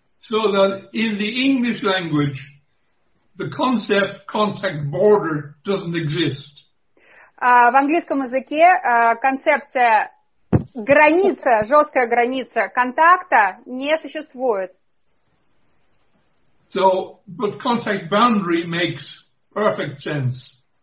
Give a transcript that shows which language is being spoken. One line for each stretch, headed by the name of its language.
English: So that in the English language, the concept contact border doesn't exist.
Russian: В английском языке концепция граница, жесткая граница контакта не существует.
English: So, but contact boundary makes perfect sense.